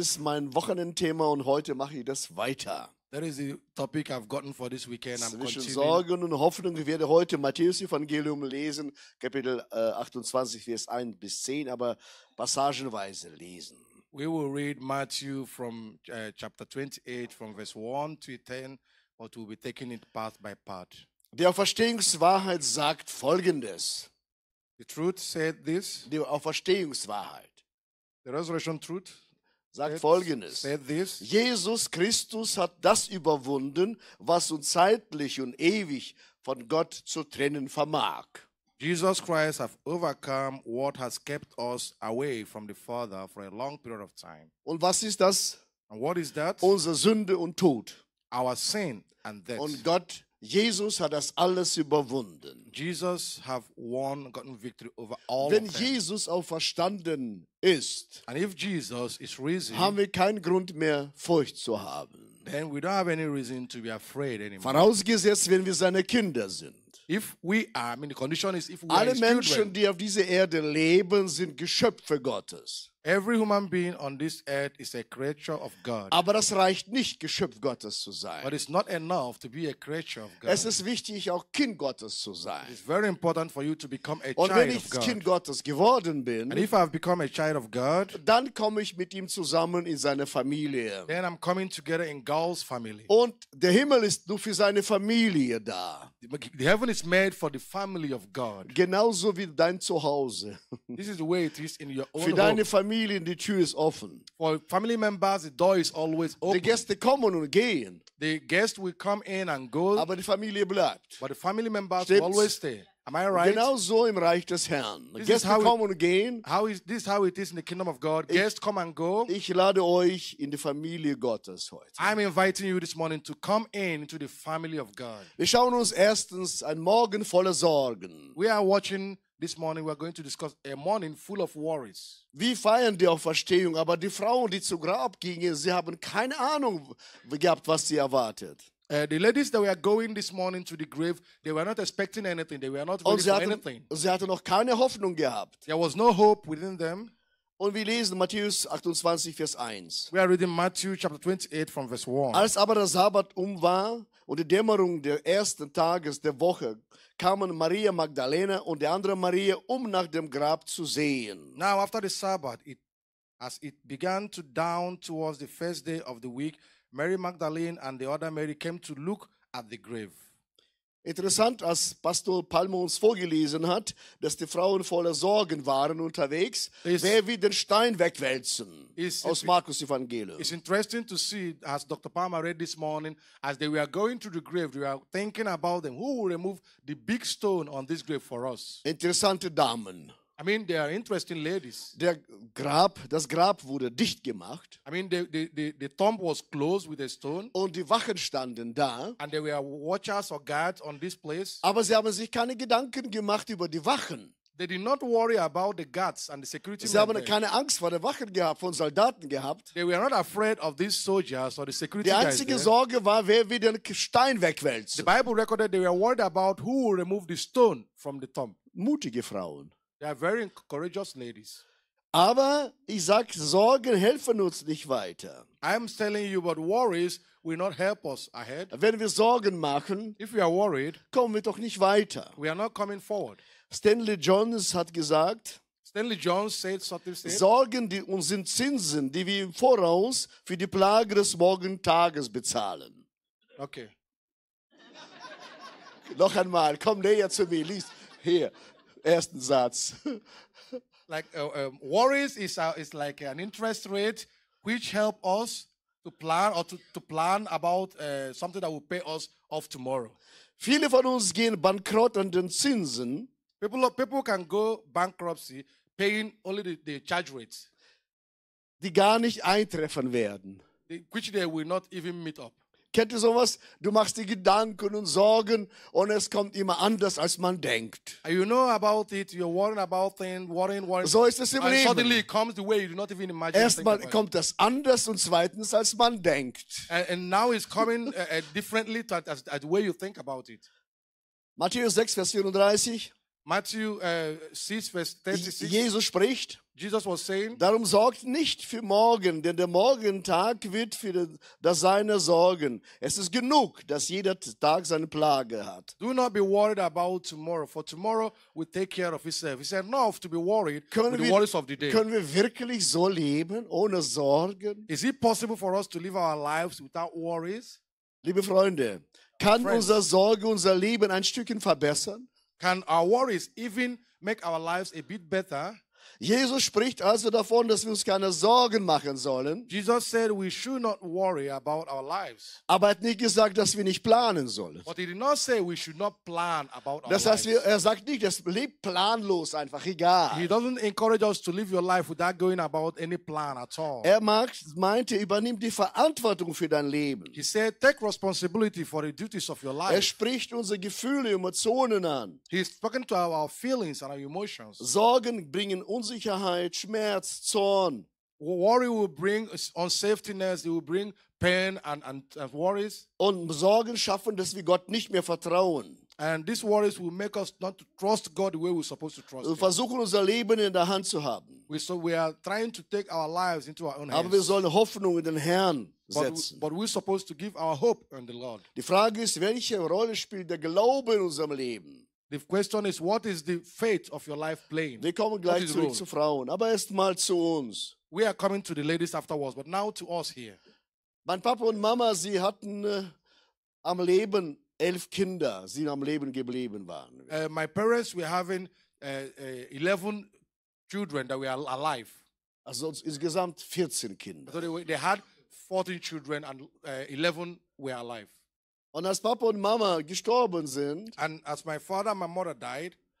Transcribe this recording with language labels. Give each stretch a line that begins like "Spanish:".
German: Ist mein Wochenendthema und heute mache ich das weiter.
English: That is the topic I've gotten for this weekend. I'm
German: zwischen
English: continuing.
German: Sorgen und Hoffnung. Ich werde heute Matthäus Evangelium lesen, Kapitel 28, Vers 1 bis 10, aber passagenweise lesen.
English: We will read Matthew from chapter 28, from verse 1 to 10, but we'll be taking it part by part.
German: Die Auferstehungswahrheit sagt Folgendes.
English: The truth said this.
German: Die Auferstehungswahrheit.
English: The resurrection truth.
German: Sagt Folgendes.
English: Said this.
German: Jesus Christus hat das überwunden, was uns zeitlich und ewig von Gott zu trennen vermag.
English: Jesus Christ has overcome what has kept us away from the Father for a long period of time.
German: Und was ist das?
English: And what is that?
German: Unsere Sünde und Tod.
English: Our sin and death.
German: Und Gott, Jesus hat das alles überwunden.
English: Jesus have won, gotten victory over all
German: wenn
English: of them.
German: Jesus auferstanden ist,
English: and if Jesus is risen,
German: haben wir keinen Grund mehr, Furcht zu haben.
English: Then we don't have any reason to be afraid anymore.
German: Vorausgesetzt, wenn wir seine Kinder sind.
English: If we are, I mean the condition is if we
German: alle
English: are his
German: Menschen,
English: children.
German: Die auf dieser Erde leben, sind Geschöpfe Gottes.
English: Every human being on this earth is a creature of God.
German: Aber das reicht nicht, Geschöpf Gottes zu sein.
English: But it's not enough to be a creature of God.
German: Es ist wichtig, auch Kind Gottes zu sein.
English: It's very important for you to become a
German: und
English: child of God.
German: Und wenn ich Kind Gottes geworden bin,
English: and if I've become a child of God,
German: dann komme ich mit ihm zusammen in seine Familie.
English: Then I'm coming together in God's family.
German: Und der Himmel ist nur für seine Familie da.
English: The heaven is made for the family of God.
German: Genauso wie dein Zuhause.
English: This is the way it is in your own
German: für deine
English: home.
German: Familien, die Tür ist offen.
English: For family members, the door is always open. The guests
German: kommen und gehen.
English: The guests will come in and go.
German: Aber die Familie bleibt.
English: But the family members will always stay. Am I right?
German: Genau so im Reich des Herrn.
English: This
German: guests kommen und gehen.
English: How is this? How it is in the kingdom of God? Guests come and go.
German: Ich lade euch in die Familie Gottes heute.
English: I'm inviting you this morning to come in into the family of God.
German: Wir schauen uns erstens ein Morgen voller Sorgen.
English: We are watching. This morning we are going to discuss a morning full of worries.
German: Wir feiern die Auferstehung, aber die Frauen, die zu Grab gingen, sie haben keine Ahnung gehabt, was sie erwartet.
English: The ladies that were going this morning to the grave, they were not expecting anything. They were not ready for anything.
German: Sie hatten noch keine Hoffnung gehabt.
English: There was no hope within them.
German: Und wir lesen Matthäus 28, Vers 1.
English: We are reading Matthew chapter 28 from verse 1.
German: Als aber der Sabbat war und die Dämmerung des ersten Tages der Woche kamen Maria Magdalena und die andere Maria, um nach dem Grab zu sehen.
English: Now after the Sabbath, as it began to dawn towards the first day of the week, Mary Magdalene and the other Mary came to look at the grave.
German: Interessant, als Pastor Palmo uns vorgelesen hat, dass die Frauen voller Sorgen waren unterwegs, wer wird den Stein wegwälzen, aus Markus Evangelium.
English: It's interesting to see, as Dr. Palmer read this morning, as they were going to the grave, they were thinking about them, who will remove the big stone on this grave for us.
German: Interessante Damen.
English: I mean, they are interesting ladies.
German: Der Grab, das Grab wurde dicht gemacht.
English: I mean, the tomb was closed with a stone.
German: Und die Wachen standen da.
English: And there were watchers or guards on this place.
German: Aber sie haben sich keine Gedanken gemacht über die Wachen.
English: They did not worry about the guards and the security.
German: Sie haben keine Angst vor den Wachen gehabt, von Soldaten gehabt.
English: They were not afraid of these soldiers or the security guys.
German: Die einzige
English: guys
German: Sorge war, wer wird den Stein wegwälzen.
English: The Bible recorded they were worried about who will remove the stone from the tomb.
German: Mutige Frauen.
English: They are very courageous ladies.
German: Aber ich sag, Sorgen helfen uns nicht weiter.
English: I'm telling you, but worries will not help us ahead.
German: Wenn wir Sorgen machen,
English: if we are worried,
German: kommen wir doch nicht weiter.
English: We are not coming forward.
German: Stanley Jones hat gesagt,
English: Stanley Jones said something.
German: Sorgen die uns sind Zinsen, die wir im Voraus für die Plage des Morgentages bezahlen.
English: Okay.
German: Noch einmal, komm näher zu mir, lies hier. Ersten Satz.
English: Like worries is like an interest rate which help us to plan or to plan about something that will pay us off tomorrow.
German: Viele von uns gehen bankrott an den Zinsen.
English: People can go bankruptcy paying only the charge rates.
German: Die gar nicht eintreffen werden.
English: Which they will not even meet up.
German: Kennt ihr sowas? Du machst dir Gedanken und Sorgen und es kommt immer anders, als man denkt.
English: You know about it, you're worrying about things, worrying.
German: So ist es im Leben.
English: Suddenly it comes the way you do not even imagine.
German: Erstmal kommt das anders und zweitens, als man denkt.
English: And now it's coming differently to as the way you think about it.
German: Matthäus 6, Vers 34.
English: Matthew 6, Vers 36.
German: Jesus spricht.
English: Jesus was saying,
German: darum sorgt nicht für morgen, denn der Morgentag wird für das seine sorgen. Es ist genug, dass jeder Tag seine Plage hat.
English: Do not be worried about tomorrow, for tomorrow will take care of itself. It's enough to be worried
German: können
English: with the worries of the day.
German: Können wir wirklich so leben, ohne Sorgen?
English: Is it possible for us to live our lives without worries?
German: Liebe Freunde, kann unsere Sorge unser Leben ein Stückchen verbessern?
English: Can our worries even make our lives a bit better?
German: Jesus spricht also davon, dass wir uns keine Sorgen machen sollen.
English: Jesus said we should not worry about our lives.
German: Aber er hat nicht gesagt, dass wir nicht planen sollen.
English: But he did not say we should not plan about
German: das
English: our
German: heißt,
English: lives.
German: Das heißt, er sagt nicht, dass lebt planlos einfach, egal.
English: He doesn't encourage us to live your life without going about any plan at all.
German: Er meinte, übernimm die Verantwortung für dein Leben.
English: He said take responsibility for the duties of your life.
German: Er spricht unsere Gefühle, Emotionen an.
English: He's talking to our feelings and our emotions.
German: Sorgen bringen uns Unsicherheit, Schmerz, Zorn.
English: Worry will bring unsafetyness, it will bring pain and worries.
German: Und Sorgen schaffen, dass wir Gott nicht mehr vertrauen.
English: And these worries will make us not to trust God the way we're supposed to trust.
German: Wir versuchen unser Leben in der Hand zu haben.
English: We are trying to take our lives into our own hands.
German: Aber wir sollen Hoffnung in den Herrn setzen.
English: But we're supposed to give our hope in the Lord.
German: Die Frage ist, welche Rolle spielt der Glaube in unserem Leben?
English: The question is, what is the fate of your life playing?
German: Wir kommen gleich zurück zu Frauen, aber erst mal zu uns.
English: We are coming to the ladies afterwards, but now to us here.
German: Mein Papa und Mama, sie hatten am Leben 11 Kinder, sie am Leben geblieben waren.
English: My parents were having 11 children that were alive.
German: Also insgesamt 14 Kinder.
English: So they had 14 children and 11 were alive.
German: Und als Papa und Mama gestorben sind,
English: and as my father and my mother died,